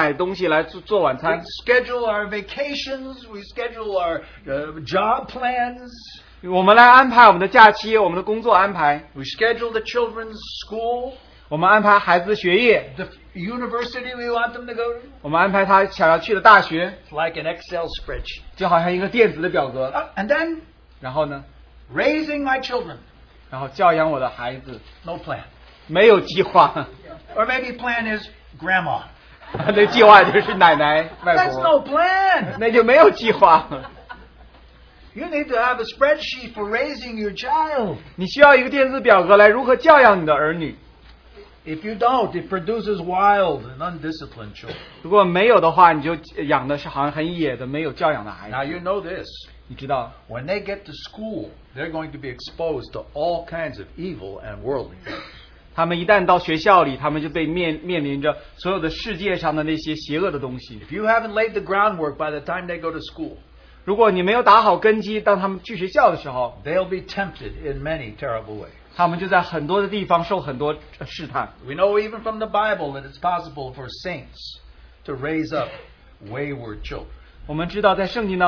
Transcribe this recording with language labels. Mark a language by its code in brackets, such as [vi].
[zh] 然后父亲跑到那里炸鸡那边买东西来做晚餐。 [en] We schedule our vacations, we schedule our job plans. [zh] 我们来安排我们的假期，我们的工作安排。 [en] We schedule the children's school. [zh] 我们安排孩子学业。 [en] The university we want them to go to. [zh] 我们安排他想要去的大学。 [en] It's like an Excel spreadsheet. [zh] 就好像一个电子的表格。 [en] And then? [zh] 然后呢? [en] Raising my children. [zh] 然后教养我的孩子。 [en] No plan. [zh] 没有计划。 [en] Or maybe plan is grandma. [zh] 那计划就是奶奶，外婆。 [en] That's no plan. [zh] 那就没有计划。 [en] You need to have a spreadsheet for raising your child. [zh] 你需要一个电子表格来如何教养你的儿女。 [en] If you don't, it produces wild and undisciplined children. [zh] 如果没有的话, 你就养的是好像很野的, 没有教养的孩子。 [en] Now you know this. [zh] 你知道, [en] when they get to school, they're going to be exposed to all kinds of evil and worldliness. [zh] 他们一旦到学校里, 他们就被面临着所有的世界上的那些邪恶的东西。 [en] If you haven't laid the groundwork by the time they go to school, [zh] 如果你没有打好根基, 当他们去学校的时候, [en] they'll be tempted in many terrible ways. [zh] 他们就在很多的地方受很多试探。 [en] We know even from the Bible that it's possible for saints to raise up wayward children.